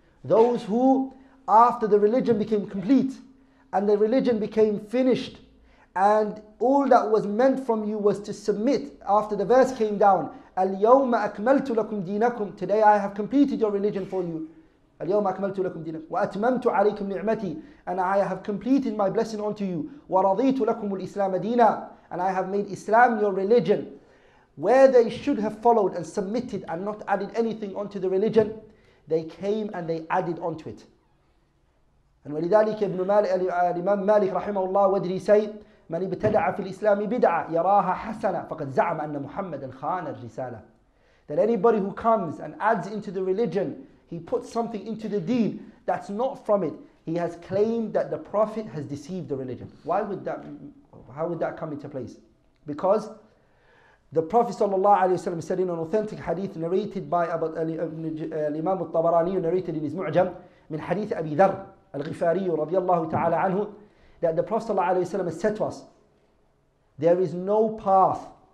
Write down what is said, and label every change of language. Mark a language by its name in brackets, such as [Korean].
[English] Those who, after the religion became complete, and the religion became finished, and all that was meant from you was to submit, after the verse came down, [Arabic] الْيَوْمَ أَكْمَلْتُ لَكُمْ دِينَكُمْ, [English] today I have completed your religion for you, [Arabic] الْيَوْمَ أَكْمَلْتُ لَكُمْ دِينَكُمْ وَأَتْمَمْتُ عَلَيْكُمْ نِعْمَتِي, [English] and I have completed my blessing unto you, [Arabic] وَرَضِيتُ لَكُمُ الْإِسْلَامَ دِينًا, [English] and I have made Islam your religion. Where they should have followed and submitted and not added anything onto the religion, they came and they added onto it. And [Arabic] ولذلك ابن مالك الإمام مالك رحمه الله ودري سي من ابتدع في الإسلام بدعة يراها حسنة فقد زعم أن محمد خان الرسالة. [English] That anybody who comes and adds into the religion, he puts something into the deen that's not from it, he has claimed that the Prophet has deceived the religion. Why would that, how would that come into place? Because the Prophet ﷺ said in an authentic hadith narrated by Imam al-Tabarani, narrated in his Mu'jam, [Arabic] min hadith Abi Dharr al-Ghifari radiallahu ta'ala anhu, [English] that the Prophet ﷺ has said to us, there is no path,